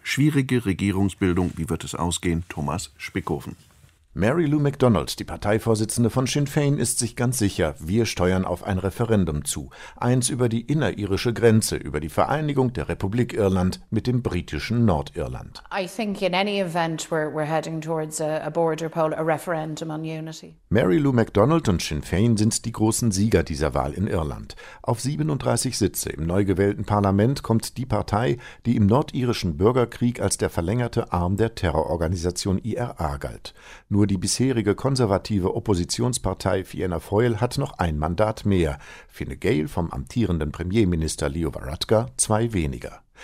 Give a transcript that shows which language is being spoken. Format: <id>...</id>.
<de>Schwierige Regierungsbildung, wie wird es ausgehen? Thomas Spickhofen. Mary Lou MacDonald, die Parteivorsitzende von Sinn Féin, ist sich ganz sicher, wir steuern auf ein Referendum zu. Eins über die innerirische Grenze, über die Vereinigung der Republik Irland mit dem britischen Nordirland.</de> <en>I think in any event we're heading towards a border poll, a referendum on unity.</en> <de>Mary Lou MacDonald und Sinn Féin sind die großen Sieger dieser Wahl in Irland. Auf 37 Sitze im neu gewählten Parlament kommt die Partei, die im nordirischen Bürgerkrieg als der verlängerte Arm der Terrororganisation IRA galt. Nur die bisherige konservative Oppositionspartei Fianna Fáil hat noch ein Mandat mehr, Fine Gael vom amtierenden Premierminister Leo Varadkar zwei weniger.</de>